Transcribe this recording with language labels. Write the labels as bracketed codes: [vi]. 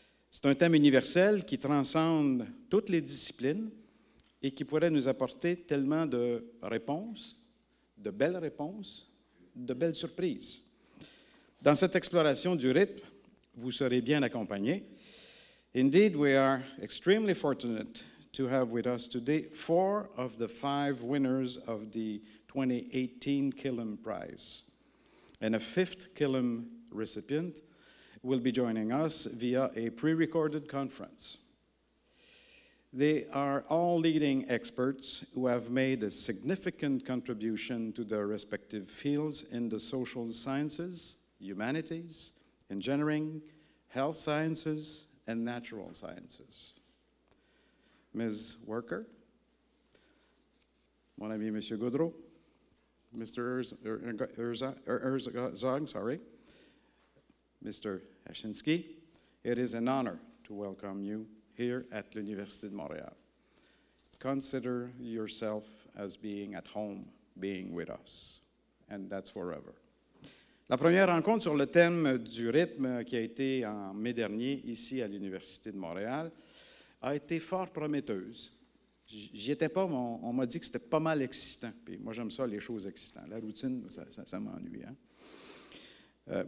[fr] C'est un thème universel qui transcende toutes les disciplines et qui pourrait nous apporter tellement de réponses, de belles réponses, de belles surprises. Dans cette exploration du rythme, vous serez bien accompagnés. [en] Indeed, we are extremely fortunate to have with us today 4 of the 5 winners of the 2018 Killam Prize. And a 5th Killam recipient will be joining us via a pre-recorded conference. They are all leading experts who have made a significant contribution to their respective fields in the social sciences, humanities, engineering, health sciences, and natural sciences. [fr] Ms. Worker, mon ami Monsieur Gaudreau, Mr. [en] Erzog, Mr. Ashinsky, it is an honor to welcome you here at l'Université de Montréal. consider yourself as being at home, being with us. And that's forever. [fr] La première rencontre sur le thème du rythme qui a été en mai dernier ici à l'Université de Montréal a été fort prometteuse. J'y étais pas, mais on m'a dit que c'était pas mal excitant. Puis moi, j'aime ça, les choses excitantes. La routine, ça m'ennuie. Hein?